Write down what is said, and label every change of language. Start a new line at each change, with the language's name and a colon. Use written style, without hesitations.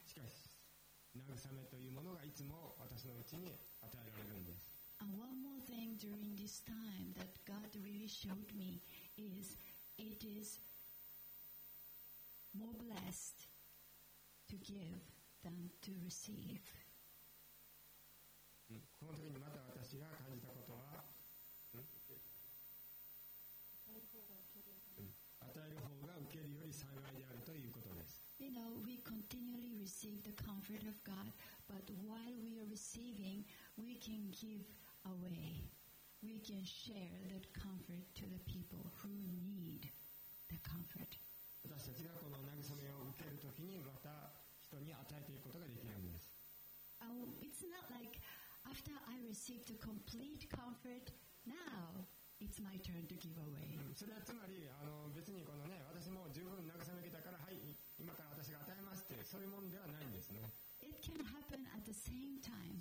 Japanese: しかし、慰めというものがいつも私のうちに与えられるんです。
English: And one more thing during this time that God really showed me is it is more blessed to give. Than to receive.
Japanese: この時にまた私が感じたことは、与える方が受けるより幸いであるということです。
English: You know, we continually receive the comfort of God, but while we are receiving, we can give away. We can share that comfort to the people who need the comfort.
Japanese: 私たちがこの慰めを受けるときにまた。人に与えていくことができるんです。
English: It's not like after I received a complete comfort, now it's my turn to give away.
Japanese: それはつまり別にこのね、私も十分慰めたから、はい、今から私が与えますって、そういうものではないんですね。
English: It can happen at the same time.